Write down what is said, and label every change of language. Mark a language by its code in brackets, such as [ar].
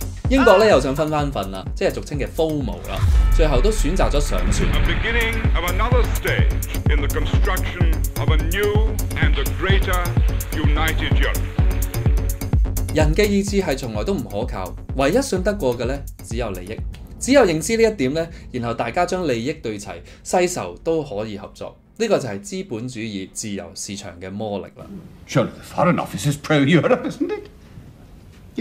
[yue] 英國咧又想分翻份啦，即係俗稱嘅 FOMO 啦，最後都選擇咗上船。 [en] The beginning of another stage in the construction of a new and a greater United Europe。 [yue] 人嘅意志係從來都唔可靠，唯一信得過嘅咧只有利益。只有認知呢一點咧，然後大家將利益對齊，世仇都可以合作。呢個就係資本主義自由市場嘅魔力啦。 [en] Surely the Foreign Office is pro-Europe, isn't it?